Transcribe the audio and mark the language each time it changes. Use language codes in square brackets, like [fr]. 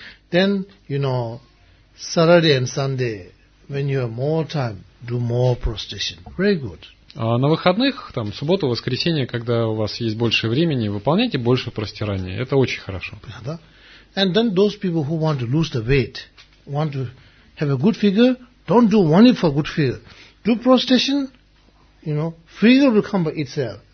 [en] Then, you know, Saturday and Sunday, when you have more time, do more prostration. Very good. [ru] А на выходных, там, субботу, воскресенье, когда у вас есть больше времени, выполняйте больше простирания. Это очень хорошо. Да. [en] And then those people who want to lose the weight, want to have a good figure, don't do only for good figure. Do prostration, you know, figure will come by itself.